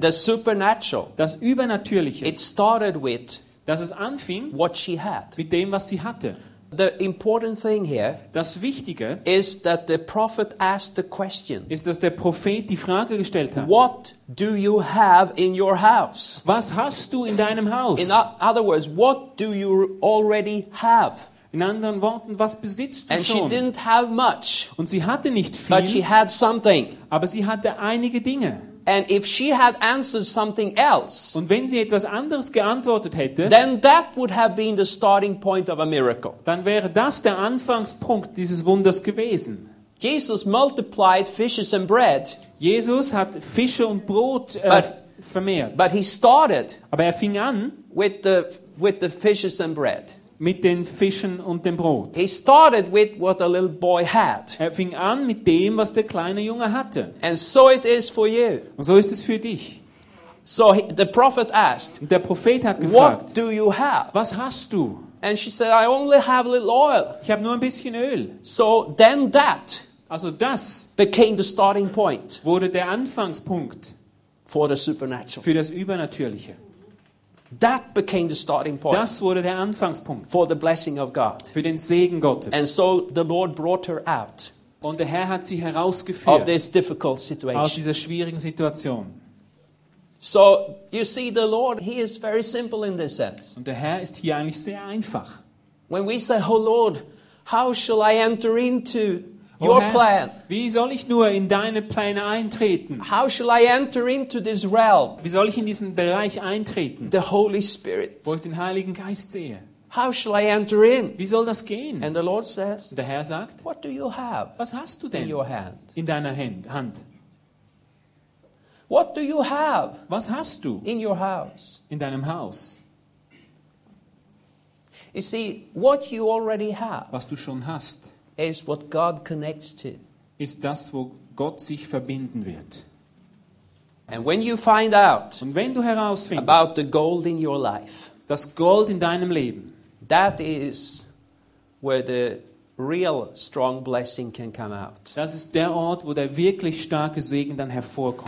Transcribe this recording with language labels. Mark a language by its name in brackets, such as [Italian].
[English] the supernatural, [German] das Übernatürliche, [English] it started with, [German] dass es anfing, [English] what she had, [German] mit dem, was sie hatte. [English] The important thing here, [German] das Wichtige, [English] is that the prophet asked the question, [German] ist, dass der Prophet die Frage gestellt hat. [English] What do you have in your house? [German] Was hast du in deinem Haus? [English] In other words, what do you already have? [German] In anderen Worten, was besitzt du [English] and [German] schon? [English] She didn't have much, [German] und sie hatte nicht viel, [English] but she had something. [German] Aber sie hatte einige Dinge. [English] And if she had answered something else, [German] und wenn sie etwas anderes geantwortet hätte, [English] then that would have been the starting point of a miracle. [German] Dann wäre das der Anfangspunkt dieses Wunders gewesen. [English] Jesus multiplied fishes and bread. [German] Jesus hat Fische und Brot vermehrt. [English] But he started, [German] aber er fing an, [English] with the fishes and bread. [German] Mit den Fischen und dem Brot. [English] He started with what a little boy had. [German] Er fing an mit dem, was der kleine Junge hatte. [English] And so it is for you. [German] Und so ist es für dich. [English] So the prophet asked, [German] der Prophet hat gefragt, [English] what do you have? [German] Was hast du? [English] And she said, I only have a little oil. [German] Ich habe nur ein bisschen Öl. [English] So then that, [German] also das, [English] became the starting point, [German] wurde der Anfangspunkt [English] for the supernatural, [German] für das Übernatürliche. [English] That became the starting point. [German] Das wurde der Anfangspunkt [English] for the blessing of God. [German] Für den Segen Gottes. [English] And so the Lord brought her out. [German] Und der Herr hat sie herausgeführt. [English] Of this difficult situation. [German] Aus dieser schwierigen Situation. [English] So you see, the Lord, he is very simple in this sense. [German] Und der Herr ist hier eigentlich sehr einfach. [English] When we say, "Oh Lord, how shall I enter into your plan?" [German] Wie soll ich nur in deine Pläne eintreten? [English] How shall I enter into this realm? [German] Wie soll ich in diesen Bereich eintreten? [English] The Holy Spirit. [German] Wo ich den Heiligen Geist sehe. [English] How shall I enter in? [German] Wie soll das gehen? [English] And the Lord says, [German] der Herr sagt, [English] what do you have? [German] Was hast du denn [English] in your hand? [German] In deiner Hand. [English] What do you have? [German] Was hast du? [English] In your house. [German] In deinem Haus. [English] You see, what you already have. [German] Was du schon hast. [English] Is what God connects to. [German] Ist das, wo Gott sich verbinden wird. [English] And when you find out, [German] und wenn du herausfindest, [English] about the gold in your life, [German] das Gold in deinem Leben, [English] that is where the real strong blessing can come out. [German] Das ist der Ort, wo der wirklich starke Segen dann hervorkommt.